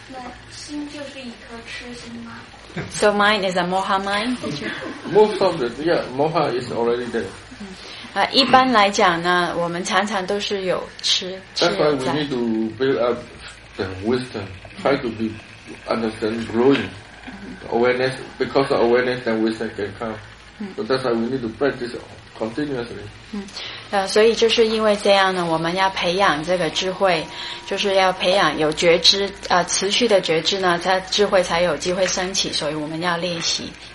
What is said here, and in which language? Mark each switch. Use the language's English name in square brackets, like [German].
[Chinese] 对，痴是这样的，痴是就把对的看成错的，错的看成对的。那心就是一颗痴心吗？ [English] So mine is a moha mind? Most of it, yeah, moha is already there. [Chinese] 一般来讲呢, 我们常常都是有吃, [English] That's why we need to build up the wisdom, try to be understand growing awareness, because of awareness then wisdom can come. So that's why we need to practice continuously. [Chinese] 所以就是因为这样呢，我们要培养这个智慧，就是要培养有觉知，持续的觉知呢，它智慧才有机会升起。所以我们要练习。